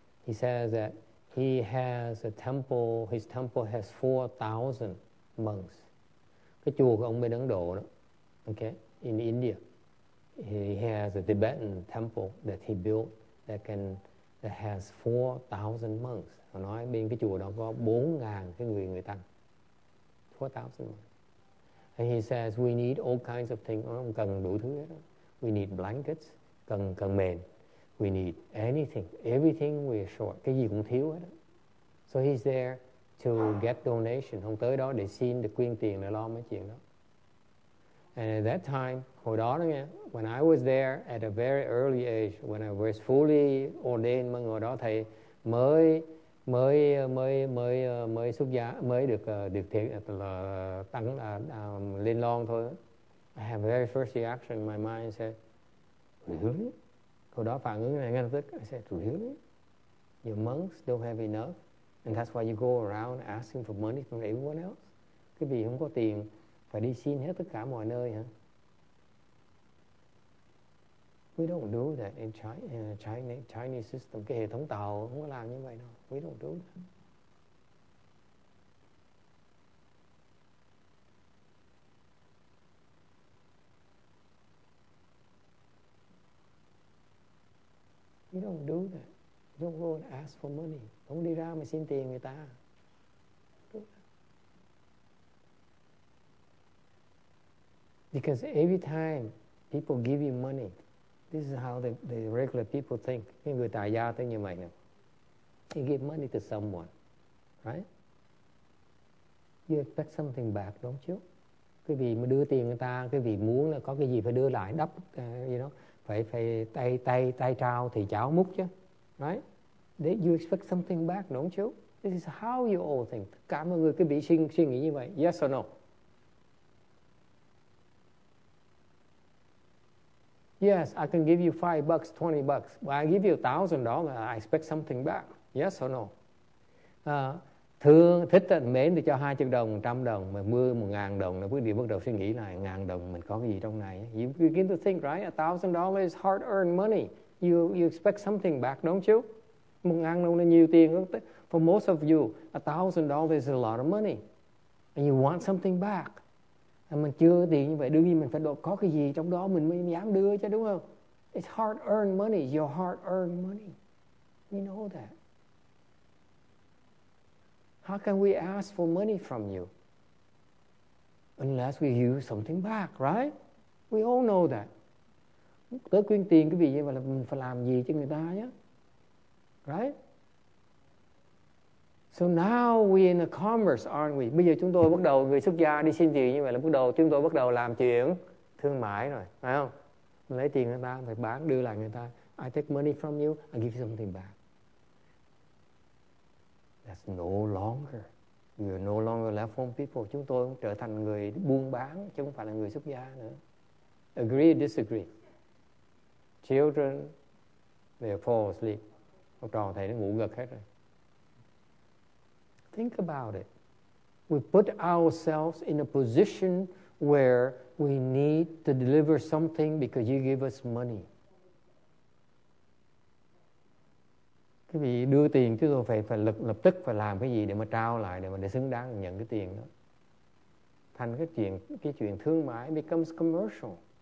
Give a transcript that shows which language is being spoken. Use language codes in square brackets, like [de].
[en] He says that he has a temple. His temple has 4,000 monks. [vi] Cái chùa của ông bên Ấn Độ đó. [en] Okay. In India, he has a Tibetan temple that he built that has 4,000 monks. [vi] Họ nói bên cái chùa đó có 4,000 cái người tăng. 4,000. [en] And he says we need all kinds of things. [vi] Ông cần đủ thứ hết. [en] We need blankets, [vi] cần mền. [en] We need anything, everything we are short. [vi] Cái gì cũng thiếu hết. [en] So he's there to get donation. [vi] Ông tới đó để xin được quyên tiền để lo mấy chuyện đó. [en] And at that time, [vi] hồi đó nghe, [en] when I was there at a very early age, when I was fully ordained, [vi] mà hồi đó thầy mới xuất gia, mới được thiệt là tăng lên long thôi. [en] I have very first reaction in my mind, said, really? [vi] Hồi đó phản ứng này ngay lập tức, [en] I said, really? Your monks don't have enough, and that's why you go around asking for money from everyone else? [vi] Cái vì không có tiền, phải đi xin hết tất cả mọi nơi hả? [en] We don't do that in Chinese system. [vi] Cái hệ thống tàu không có làm như vậy đâu. [en] We don't do that. We don't do that. We don't go and ask for money. [vi] Không đi ra mà xin tiền người ta. [en] Because every time people give you money, this is how the regular people think. [vi] Cái người tài gia thấy như vậy nè. [en] You give money to someone, right? You expect something back, don't you? [vi] Cái vị mà đưa tiền người ta, cái vị muốn là có cái gì phải đưa lại, đắp, [en] you know, [vi] phải tay trao thì cháo múc chứ, right? [en] They, you expect something back, don't you? This is how you all think. [vi] Tất cả mọi người cứ bị suy nghĩ như vậy. [en] Yes or no? Yes, I can give you $5, $20. But I give you $1,000, I expect something back. Yes or no? [vi] Thương, thích, mến thì cho 200 đồng, 100 đồng, mà mưa 1,000 đồng, là quý vị bắt đầu suy nghĩ là 1,000 đồng mình có cái gì trong này. [en] You begin to think, right? $1,000 is hard-earned money. You expect something back, don't you? [vi] 1,000 đồng là nhiều tiền. [en] For most of you, $1,000 is a lot of money. And you want something back. [vi] Mình chưa tiền như vậy, đương nhiên mình phải có cái gì trong đó mình mới dám đưa chứ, đúng không? [en] It's hard-earned money, your hard-earned money. You know that. How can we ask for money from you? Unless we use something back, right? We all know that. [vi] Có quyền tiền cái gì vậy là mình phải làm gì cho người ta nhé. [en] Right? So now we're in a commerce, aren't we? [vi] Bây giờ chúng tôi bắt đầu, người xuất gia đi xin tiền như vậy là bắt đầu, chúng tôi bắt đầu làm chuyện thương mại rồi, phải không? Mình lấy tiền người ta, phải bán, đưa lại người ta. [en] I take money from you, I give you something back. That's no longer. You're no longer left home people. [vi] Chúng tôi trở thành người buôn bán, chứ không phải là người xuất gia nữa. [en] Agree or disagree? Children, they fall asleep. [vi] Học trò thầy nó ngủ gật hết rồi. [en] Think about it. We put ourselves in a position where we need to deliver something because you give us money. [vi] Cái vị đưa tiền chúng tôi phải lập tức phải làm cái gì để mà trao lại, để mà để xứng đáng nhận cái tiền đó. Thành cái chuyện thương mại [en] becomes commercial.